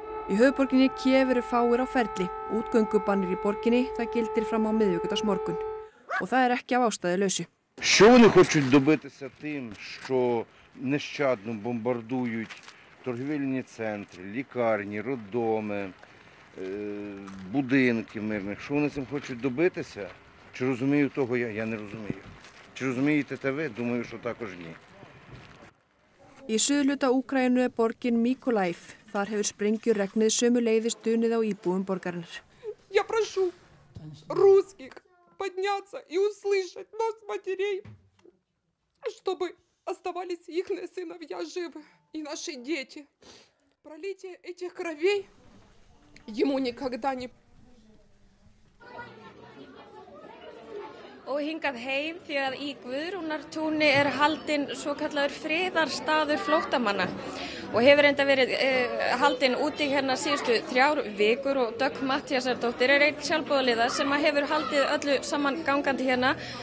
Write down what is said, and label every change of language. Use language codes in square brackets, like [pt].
[is] Í höfuðborginni Kiev eru fáir á ferli. Útgöngubannir í borginni, það gildir fram á miðvikudags morgun. Og það er ekki af ástæði lausu. [uk] Що вони хочуть добитися тим, що нещадно бомбардують торгівельні центри, лікарні, роддоми, будинки мирних. Що вони цим хочуть добитися? Чи розумію того? Я не розумію. Чи розумієте те ви? Думаю, що також ні. [is] Í suðurhluta Úkraínu er borgin Mykolaiv. Þar hefur sprengjur regnið sömu leiðis dunið á íbúum borgarinnar. [ru] Я прошу русских подняться и услышать нас матерей, чтобы оставались их сыновья живы и наши дети. Пролитие этих кровей ему никогда не... [is] Og hingað heim því að í Guðrúnartúni er haldin svo kallaður friðarstaður flóttamanna og hefur enda verið haldin úti hérna síðustu þrjár vikur og Dögg Matthíasardóttir er einn sjálfboðaliða sem að hefur haldið öllu saman gangandi hérna.